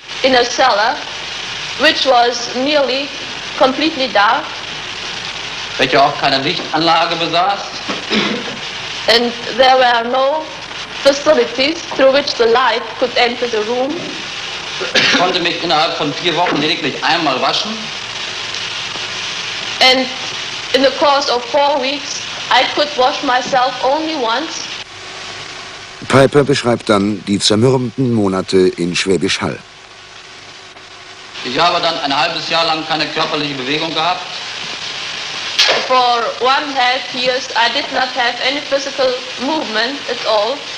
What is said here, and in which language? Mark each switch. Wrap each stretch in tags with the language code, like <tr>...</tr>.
<en>In a cellar, which was nearly completely dark.</en> <de>Welche auch keine Lichtanlage besaß.</de> <en>And there were no facilities through which the light could enter the room.</en> <de>Ich konnte mich innerhalb von 4 Wochen lediglich einmal waschen.</de> <en>And in the course of 4 weeks, I could wash myself only once.</en> <de>Piper beschreibt dann die zermürbenden Monate in Schwäbisch Hall. Ich habe dann ein halbes Jahr lang keine körperliche Bewegung gehabt.</de> <en>For 1.5 years I did not have any physical movement at all.</en>